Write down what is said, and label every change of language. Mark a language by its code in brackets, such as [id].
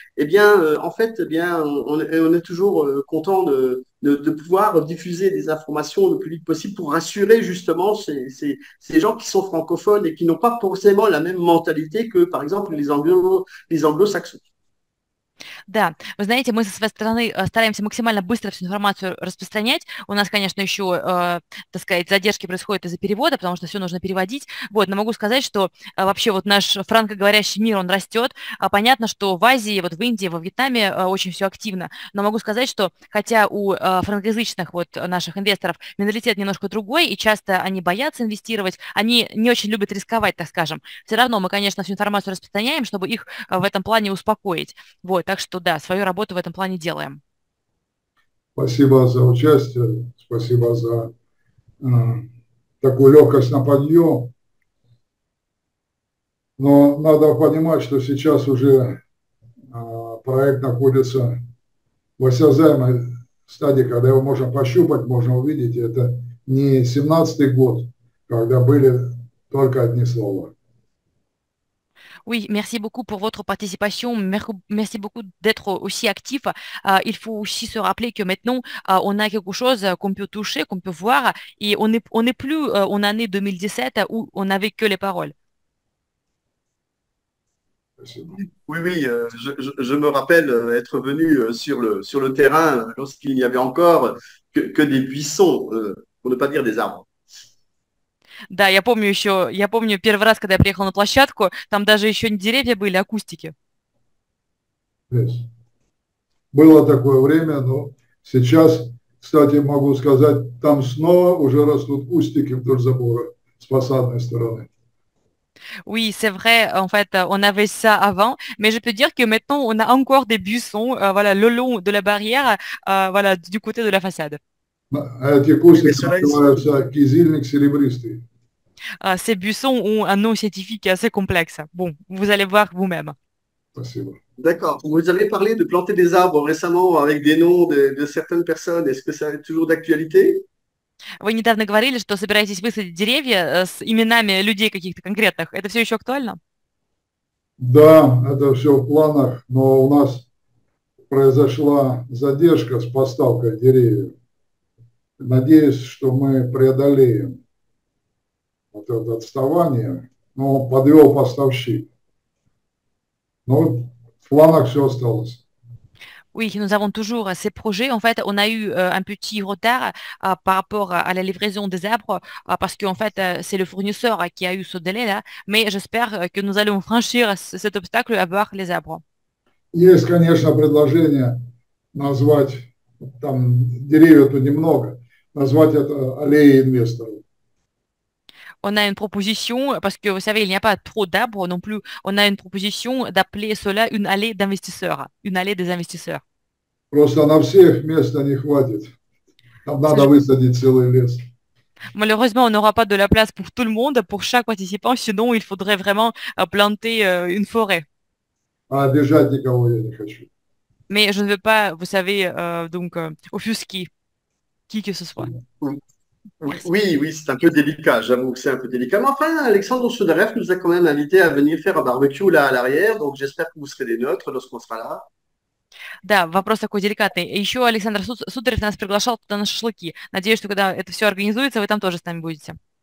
[fr] Eh bien, en fait, eh bien, on est toujours content de pouvoir diffuser des informations le plus vite possible pour rassurer justement ces gens qui sont francophones et qui n'ont pas forcément la même mentalité que, par exemple, les anglo-saxons. [ru] Да, вы знаете, мы со своей стороны стараемся максимально быстро всю информацию распространять. У нас, конечно, еще, так сказать, задержки происходят из-за перевода, потому что все нужно переводить. Вот, но могу сказать, что вообще вот наш франкоговорящий мир, он растет. Понятно, что в Азии, вот в Индии, во Вьетнаме очень все активно. Но могу сказать, что хотя у франкоязычных вот наших инвесторов менталитет немножко другой, и часто они боятся инвестировать, они не очень любят рисковать, так скажем. Все равно мы, конечно, всю информацию распространяем, чтобы их в этом плане успокоить. Вот, так что да, свою работу в этом плане делаем. Спасибо за участие, спасибо за такую легкость на подъем. Но надо понимать, что сейчас уже проект находится в осязаемой стадии, когда его можно пощупать, можно увидеть. Это не 17-й год, когда были только одни слова. [fr] Oui, merci beaucoup pour votre participation. Merci beaucoup d'être aussi actif. Il faut aussi se rappeler que maintenant, on a quelque chose qu'on peut toucher, qu'on peut voir. Et on n'est plus en année 2017 où on n'avait que les paroles. Oui, je me rappelle être venu sur le terrain lorsqu'il n'y avait encore que des buissons, pour ne pas dire des arbres. [ru] Да, я помню еще, я помню первый раз, когда я приехал на площадку, там даже еще не деревья были, а кустики. Здесь. Было такое время, но сейчас, кстати, могу сказать, там снова уже растут кустики вдоль забора с фасадной стороны. [fr] Oui, c'est vrai, en fait, on avait ça avant, mais je peux dire que maintenant, on a encore des buissons, voilà, le long de la barrière, voilà, du côté de la façade. [ru] Эти [fr] Oui, les [ru] кустики [fr] soleils sont [ru] называются кизильник серебристый. [fr] Ces buissons ont un nom scientifique assez complexe. Bon, vous allez voir vous-même. [ru] Спасибо. [fr] D'accord. Vous avez parlé de planter des arbres récemment avec des noms de certaines personnes. Est-ce que ça est toujours d'actualité? [ru] Вы недавно говорили, что собираетесь высадить деревья с именами людей каких-то конкретных. Это все еще актуально? Да, это все в планах, но у нас произошла задержка с поставкой деревьев. Надеюсь, что мы преодолеем вот это отставание, но подвел поставщик. Но в планах все осталось. [fr] Oui, nous avons toujours ces projets. En fait, on a eu un petit retard par rapport à la livraison des arbres parce qu'en fait, c'est le fournisseur qui a eu ce délai-là. Mais j'espère que nous allons franchir cet obstacle à avoir les arbres. [ru] Есть, конечно, предложение назвать там деревья тут немного. Назвать это аллеей инвесторов. [fr] On a une proposition, parce que vous savez, il n'y a пas trop d'arbres non plus, on a une proposition d'appeler cela une allée d'investisseurs, une allée des investisseurs. [ru] Просто на всех места не хватит. Там надо высадить целый лес. [fr] Малheureusement, on n'aura pas de la place pour tout le monde, pour chaque participant, sinon il faudrait vraiment planter une forêt. [ru] А обижать никого я не хочу. [fr] Mais je ne veux pas, vous savez, offusquer qui que ce soit. Merci. Oui, c'est un peu délicat, j'avoue que c'est un peu délicat. Mais enfin, Alexandre Soudaref nous a quand même invité à venir faire un barbecue là à l'arrière, donc j'espère que vous serez des nôtres lorsqu'on sera là. [ru] Да, вопрос такой деликатный. И еще Александр Сударев нас приглашал туда на шашлыки. Надеюсь, что когда это все организуется, вы там тоже с нами будете.